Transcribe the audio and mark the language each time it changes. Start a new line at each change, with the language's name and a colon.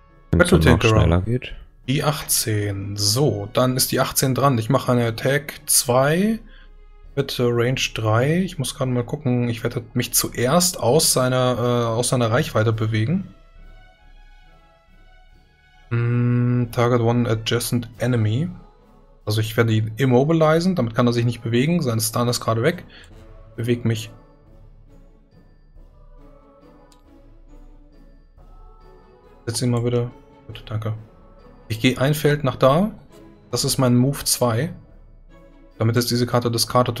English: Battle Tanker.
German: Die 18. So, dann ist die 18 dran. Ich mache eine Attack 2 mit Range 3. Ich muss gerade mal gucken. Ich werde mich zuerst aus seiner Reichweite bewegen.
English: Target one adjacent enemy.
German: Also ich werde ihn immobilisieren, damit kann er sich nicht bewegen, sein Stun ist gerade weg. Beweg mich. Setz ihn mal wieder. Gut, danke. Ich gehe ein Feld nach da. Das ist mein Move 2. Damit ist diese Karte discarded.